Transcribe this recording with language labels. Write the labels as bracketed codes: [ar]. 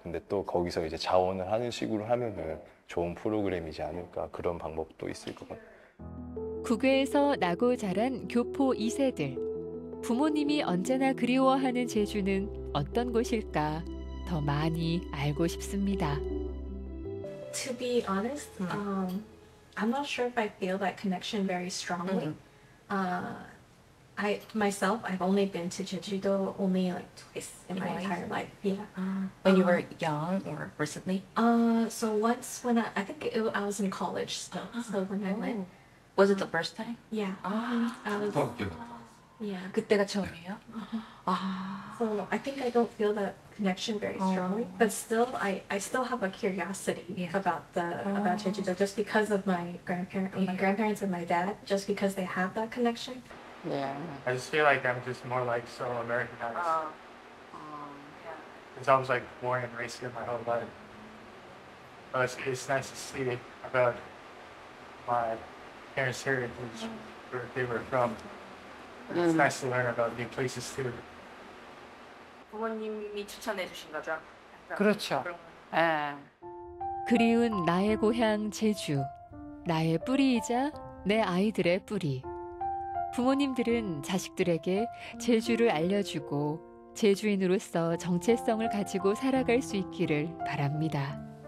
[ko] 근데 또 거기서 이제 자원을 하는 식으로 하면은 좋은 프로그램이지 않을까 그런 방법도 있을 것 같아요. 국외에서 나고 자란 교포 2세들. 부모님이 언제나 그리워하는 제주는 어떤 곳일까 더 많이 알고 싶습니다. [en] To be honest, I'm not sure if I feel that connection very strongly. I myself, I've only been to Jeju-do only like twice in my entire life. Yeah. When you were young or recently? So once when I think it, I was in college still. So when I went. Was it the first time? Yeah. Yeah. [ko] 그때가 처음이에요? [en] So I think I don't feel that connection very strongly, but still I still have a curiosity about the about Jeju-do just because of my grandparents, my grandparents and my dad, just because they have that connection. Yeah. I just feel like I'm just more like so Americanized. It's almost like born and raised here my whole life. But it's nice to see about my parents' heritage, where they were from. It's nice to learn about new places too. [ko] 부모님이 추천해주신 거죠? 그렇죠. 예. 그리운 나의 고향 제주, 나의 뿌리이자 내 아이들의 뿌리. 부모님들은 자식들에게 제주를 알려주고 제주인으로서 정체성을 가지고 살아갈 수 있기를 바랍니다.